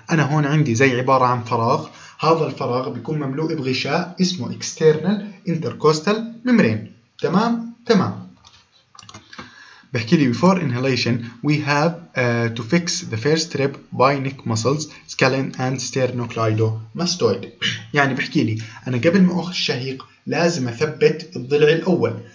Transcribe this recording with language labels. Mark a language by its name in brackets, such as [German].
[Arabic] انا هون عندي زي عباره عن فراغ، هذا الفراغ بيكون مملوء بغشاء اسمه اكسترنال انتركوستال ميمبرين، تمام؟ تمام. بحكي لي [English] before inhalation we have to fix the first rib by neck muscles scalene and sternocleidomastoid. [Arabic] يعني بحكي لي انا قبل ما اخذ الشهيق لازم اثبت الضلع الاول.